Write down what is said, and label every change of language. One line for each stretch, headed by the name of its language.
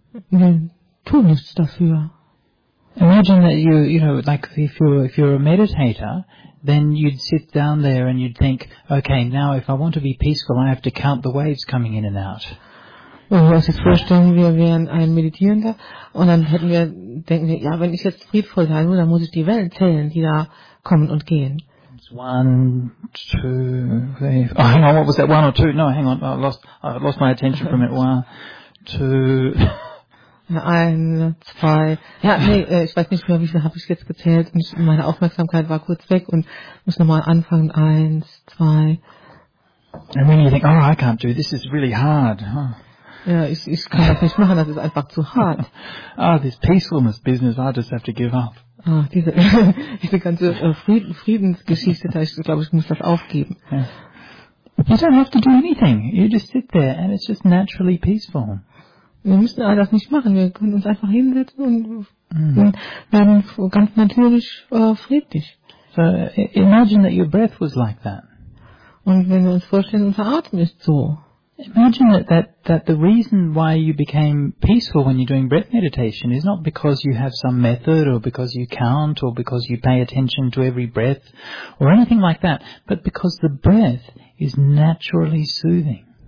German: Wir tun nichts dafür.
English: Imagine that if you're a meditator, then you'd sit down there and you'd think, okay, now if I want to be peaceful, I have to count the waves coming in and out.
German: Wenn wir uns jetzt vorstellen, wir wären ein Meditierender und dann denken wir, ja, wenn ich jetzt friedvoll sein will, dann muss ich die Wellen zählen, die da kommen und gehen.
English: It's one, two, three. Oh, hang on, what was that? One or two? No, hang on, I lost my attention for a minute. One, two.
German: Ein, zwei, ja, nee, ich weiß nicht mehr, wie viel habe ich jetzt gezählt und meine Aufmerksamkeit war kurz weg und muss nochmal anfangen. Eins, zwei.
English: And when you think, oh, I can't do this, is really hard. Huh?
German: Ja, ich kann das nicht machen, das ist einfach zu hart.
English: Oh, this peacefulness business, I just have to give up.
German: Ah, diese ganze Friedensgeschichte, da ich glaube, ich muss das aufgeben.
English: You don't have to do anything, you just sit there and it's just naturally peaceful.
German: Wir müssen all das nicht machen. Wir können uns einfach hinsetzen und werden ganz natürlich friedlich.
English: So imagine that your breath was like that.
German: Und wenn wir uns vorstellen, unser Atem ist so.
English: Imagine that the reason why you became peaceful when you're doing breath meditation is not because you have some method or because you count or because you pay attention to every breath or anything like that, but because the breath is naturally soothing.